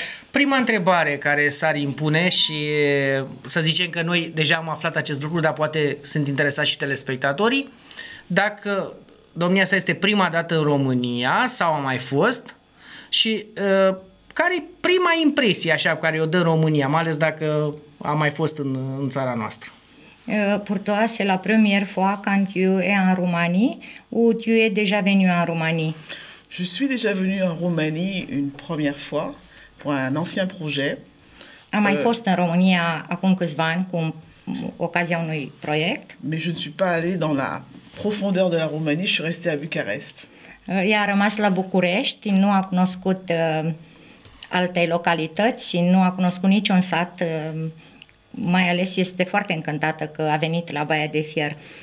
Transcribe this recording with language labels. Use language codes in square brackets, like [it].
[ro] Prima întrebare care s-ar impune și să zicem că noi deja am aflat acest lucru, dar poate sunt interesați și telespectatorii, dacă domnia sa este prima dată în România sau a mai fost și care e prima impresie așa care o dă România, mai ales dacă a mai fost în țara noastră? [fr] Pour toi, c'est la première fois quand tu es en Roumanie ou tu es déjà venu en Roumanie? Je suis déjà venu en Roumanie une première fois pour un ancien projet. [ro] Am mai fost în România acum câțiva ani cu ocazia unui proiect. [fr] Mais je ne suis pas allé dans la profondeur de la Roumanie, je suis resté à Bucarest. [ro] Ea a rămas la București, nu a cunoscut alte localități, nu a cunoscut niciun sat. Mai ales este foarte încântată că a venit la Baia de Fier.